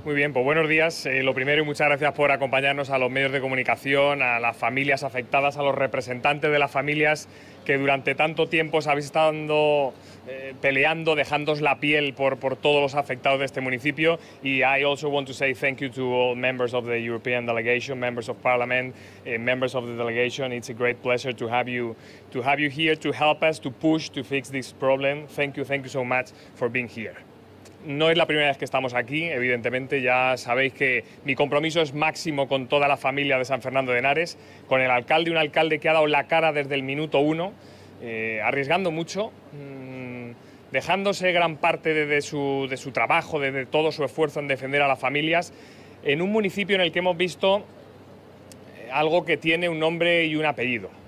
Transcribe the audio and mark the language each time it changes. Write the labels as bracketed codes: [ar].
[es] Muy bien, pues buenos días. Lo primero, y muchas gracias por acompañarnos a los medios de comunicación, a las familias afectadas, a los representantes de las familias que durante tanto tiempo os habéis estado peleando, dejándoos la piel por todos los afectados de este municipio. [en] Y I also want to say thank you to all members of the European delegation, members of parliament, members of the delegation. It's a great pleasure to have you here to help us to push to fix this problem. Thank you so much for being here. [es] No es la primera vez que estamos aquí, evidentemente, ya sabéis que mi compromiso es máximo con toda la familia de San Fernando de Henares, con el alcalde, un alcalde que ha dado la cara desde el minuto uno, arriesgando mucho, dejándose gran parte de su trabajo, de todo su esfuerzo en defender a las familias, en un municipio en el que hemos visto algo que tiene un nombre y un apellido.